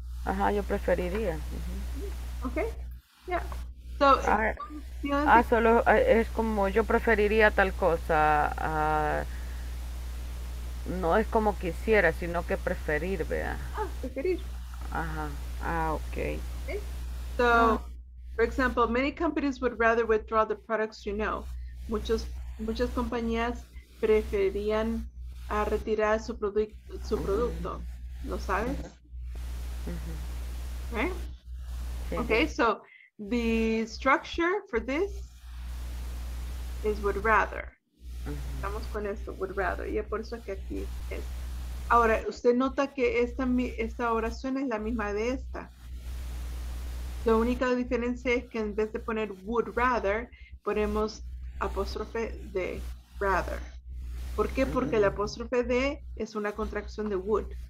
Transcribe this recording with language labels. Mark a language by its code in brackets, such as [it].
[es] Ajá, yo preferiría. Uh-huh. Ok, yeah. So, solo es como yo preferiría tal cosa. No es como quisiera, sino que preferir, vea. Ah, preferir. Ajá, ok. [en] So, for example, many companies would rather withdraw the products you know. [es] Muchas compañías preferían a retirar su producto. ¿Lo sabes? Mm-hmm. [en] Right? Okay, so the structure for this is would rather. Mm-hmm. [es] Estamos con esto, would rather. Y es por eso que aquí es. Ahora, usted nota que esta oración es la misma de esta. La única diferencia es que en vez de poner would rather, ponemos apóstrofe de rather. ¿Por qué? Porque el apóstrofe de es una contracción de would.